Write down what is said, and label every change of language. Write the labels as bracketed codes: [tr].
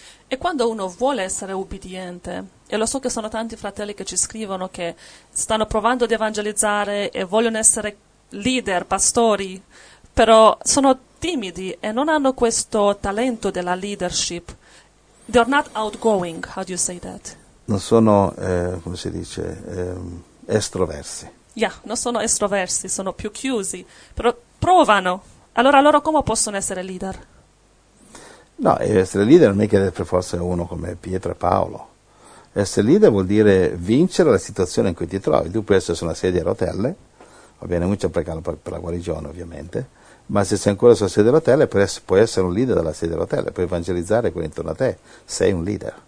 [it] E quando uno vuole essere ubbidiente, e lo so che sono tanti fratelli che ci scrivono che stanno provando di evangelizzare e vogliono essere leader, pastori, però sono timidi e non hanno questo talento della leadership. [en] They're not outgoing, how do you say that? [it] Non sono, come si dice, estroversi. Yeah, non sono estroversi, sono più chiusi, però provano Allora loro come possono essere leader? No, essere leader non è che per forza uno come Pietro e Paolo. Essere leader vuol dire vincere la situazione in cui ti trovi. Tu puoi essere su una sedia a rotelle, va bene, mucho pregando per la guarigione ovviamente, ma se sei ancora sulla sedia a rotelle puoi essere un leader della sedia a rotelle, puoi evangelizzare quello intorno a te, sei un leader.